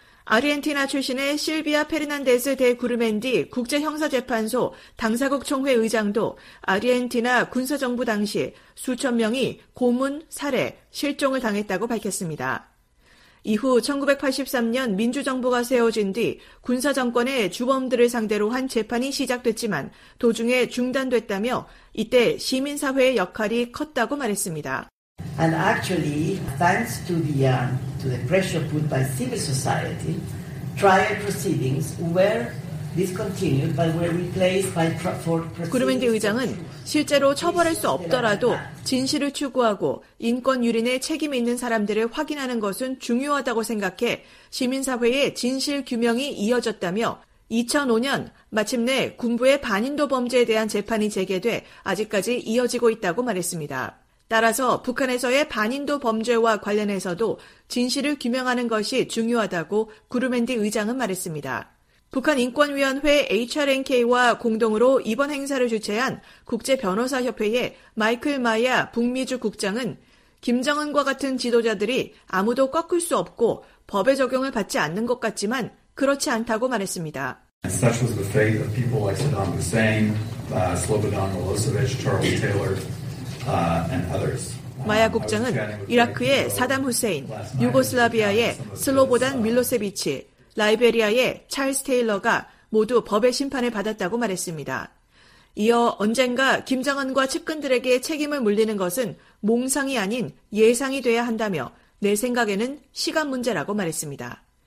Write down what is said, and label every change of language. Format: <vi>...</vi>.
<ko>아르헨티나 출신의 실비아 페르난데스 대 구르멘디 국제형사재판소 당사국 총회 의장도 아르헨티나 군사정부 당시 수천 명이 고문, 살해, 실종을 당했다고 밝혔습니다. 이후 1983년 민주정부가 세워진 뒤 군사정권의 주범들을 상대로 한 재판이 시작됐지만 도중에 중단됐다며 이때 시민사회의 역할이 컸다고 말했습니다.</ko> <en>And actually, thanks to the pressure put by civil society, trial proceedings were discontinued but were replaced by for proceedings.</en> <ko>구르멘디 의장은 실제로 처벌할 수 없더라도 진실을 추구하고 인권 유린에 책임 있는 사람들을 확인하는 것은 중요하다고 생각해 시민사회의 진실 규명이 이어졌다며 2005년 마침내 군부의 반인도 범죄에 대한 재판이 재개돼 아직까지 이어지고 있다고 말했습니다. 따라서 북한에서의 반인도 범죄와 관련해서도 진실을 규명하는 것이 중요하다고 구르멘디 의장은 말했습니다. 북한인권위원회 HRNK와 공동으로 이번 행사를 주최한 국제변호사협회의 마이클 마야 북미주 국장은 김정은과 같은 지도자들이 아무도 꺾을 수 없고 법의 적용을 받지 않는 것 같지만 그렇지 않다고 말했습니다.</ko> <en>Such was the fate of people like Saddam Hussein, Slobodan Milosevic, Charles Taylor.</en> <ko>마야 국장은 이라크의 사담 후세인, 유고슬라비아의 슬로보단 밀로세비치, 라이베리아의 찰스 테일러가 모두 법의 심판을 받았다고 말했습니다. 이어 언젠가 김정은과 측근들에게 책임을 물리는 것은 몽상이 아닌 예상이 돼야 한다며 내 생각에는 시간 문제라고 말했습니다.</ko>